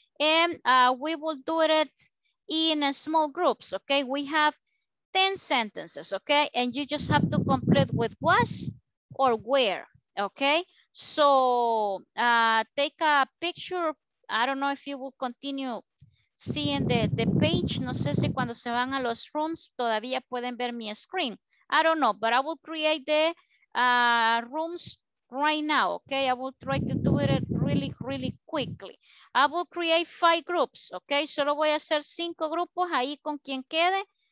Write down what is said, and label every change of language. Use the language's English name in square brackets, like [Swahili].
[English] And we will do it in a small groups, okay? We have 10 sentences, okay? And you just have to complete with was or where, okay? So, take a picture. I don't know if you will continue seeing the page. [Spanish] No sé si cuando se van a los rooms todavía pueden ver mi screen. [English] I don't know, but I will create the rooms right now, okay? I will try to do it really, really quickly. I will create 5 groups, okay? [Spanish] Solo voy a hacer 5 grupos ahí con quien quede.